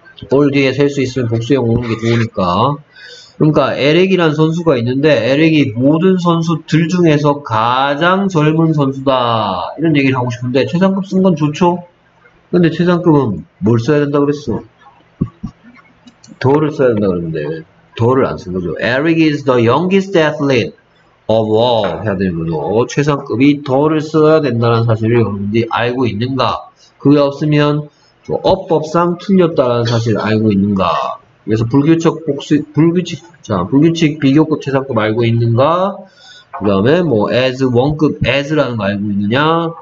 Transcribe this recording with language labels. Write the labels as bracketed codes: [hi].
[ko] 볼 뒤에 셀 수 있으면 복수형 오는 게 좋으니까. 그러니까 에릭이란 선수가 있는데 에릭이 모든 선수들 중에서 가장 젊은 선수다 이런 얘기를 하고 싶은데 최상급 쓴 건 좋죠. 근데 최상급은 뭘 써야 된다 그랬어? 더를 써야 된다 그랬는데 더를 안 쓴 거죠. [en] Eric is the youngest athlete of all [ko] 해야 되는 거죠. 최상급이 더를 써야 된다는 사실을 여러분들이 알고 있는가? 그게 없으면 어법상 틀렸다라는 사실을 알고 있는가? 그래서 불규칙 복수, 불규칙, 자, 불규칙 비교급 최상급 알고 있는가? 그 다음에 뭐, as, 원급 as라는 거 알고 있느냐?